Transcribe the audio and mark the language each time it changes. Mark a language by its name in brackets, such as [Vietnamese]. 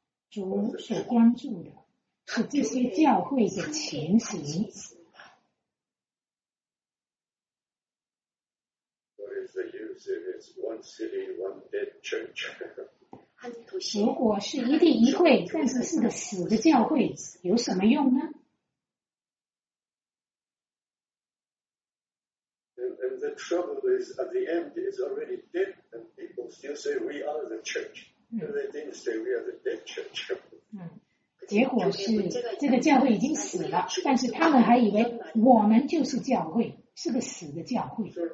[Chinese] 主所关注的是这些教会的情形。 [English] What is the use if it's one city, one dead church? [Chinese] 如果是一地一会，但是是个死的教会，有什么用呢？ [English] And the trouble is, at the end, it's already dead, and people still say we are the church. And they didn't say we are the dead church. [Chinese] 结果是这个教会已经死了，但是他们还以为我们就是教会，是个死的教会。